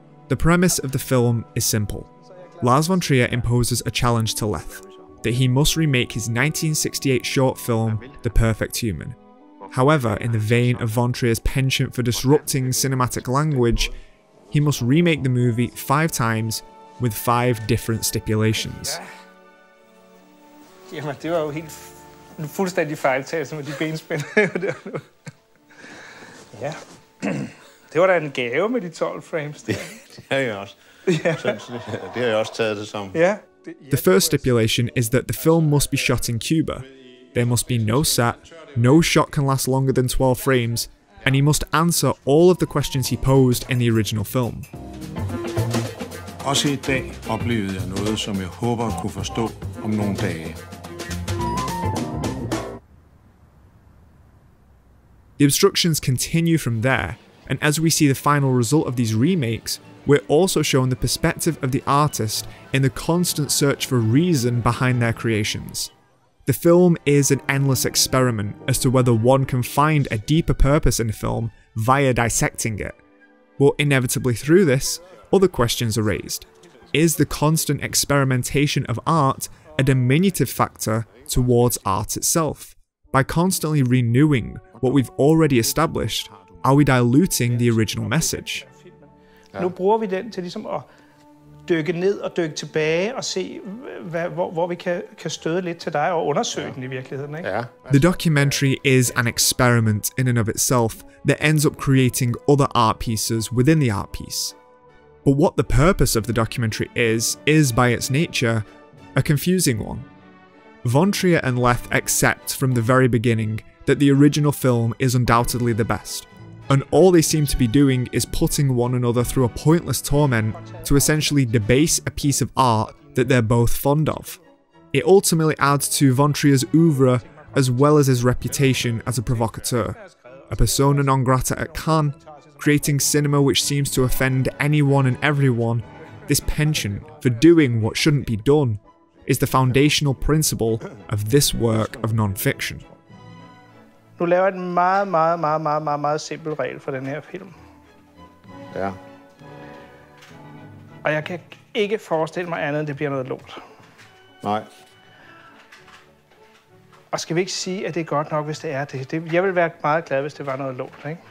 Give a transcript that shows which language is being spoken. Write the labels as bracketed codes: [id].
[en] The premise of the film is simple. Lars von Trier imposes a challenge to Leth, that he must remake his 1968 short film, The Perfect Human. However, in the vein of von Trier's penchant for disrupting cinematic language, he must remake the movie five times with five different stipulations. [da] Jamen, det var jo helt en fuldstændig fejltagelse med de benspændere. Ja, det var da en gave med de 12 frames. Det har jeg også. Det har jeg også taget det som. [en] The first stipulation is that the film must be shot in Cuba. There must be no set, no shot can last longer than 12 frames, and he must answer all of the questions he posed in the original film. [da] Også i dag oplevede jeg noget, som jeg håber at kunne forstå om nogle dage. [en] The obstructions continue from there, and as we see the final result of these remakes, we're also shown the perspective of the artist in the constant search for reason behind their creations. The film is an endless experiment as to whether one can find a deeper purpose in a film via dissecting it. But inevitably through this, other questions are raised. Is the constant experimentation of art a diminutive factor towards art itself? By constantly renewing what we've already established, are we diluting the original message? [da] Ja. Nu bruger vi den til ligesom at dykke ned og dykke tilbage og se, hvor vi kan støde lidt til dig og undersøge den i virkeligheden. Ikke? Ja. [en] The documentary is an experiment in and of itself that ends up creating other art pieces within the art piece. But what the purpose of the documentary is by its nature, a confusing one. Von Trier and Leth accept from the very beginning that the original film is undoubtedly the best, and all they seem to be doing is putting one another through a pointless torment to essentially debase a piece of art that they're both fond of. It ultimately adds to von Trier's oeuvre as well as his reputation as a provocateur, a persona non grata at Cannes, creating cinema which seems to offend anyone and everyone. This penchant for doing what shouldn't be done is the foundational principle of this work of non-fiction. [da] Nu laver jeg en meget, meget, meget, meget, meget, meget simpel regel for den her film. Ja. Og jeg kan ikke forestille mig andet, end det bliver noget lort. Nej. Og skal vi ikke sige, at det er godt nok, hvis det er det? Jeg vil være meget glad, hvis det var noget lort, ikke?